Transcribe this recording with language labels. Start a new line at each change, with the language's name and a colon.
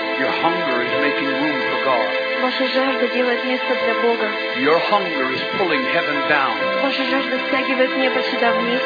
English: Your hunger is making room for God.
Russian: Ваша жажда делает место для Бога.
English: Your hunger is pulling heaven down.
Russian: Ваша жажда стягивает небо сюда вниз.